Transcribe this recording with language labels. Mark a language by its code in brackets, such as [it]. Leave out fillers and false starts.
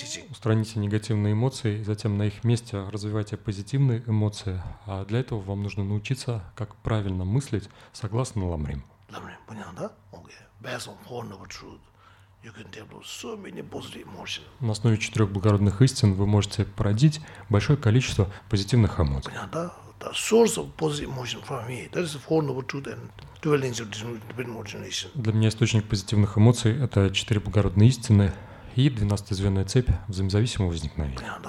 [ru] Устраните негативные эмоции, затем на их месте развивайте позитивные эмоции. А для этого вам нужно научиться, как правильно мыслить, согласно Ламрим. Ламрим, понятно, да? [en] Okay. Based on four noble truths, you can develop so many positive emotions. [ru] На основе четырех благородных истин вы можете породить большое количество позитивных эмоций. Понятно, да? [en] The source of positive emotion for me, that is the four noble truths and twelve lines of divine origination. [ru] Для меня источник позитивных эмоций – это четыре благородные истины. И 12-я звёздная цепь взаимозависимого возникновения.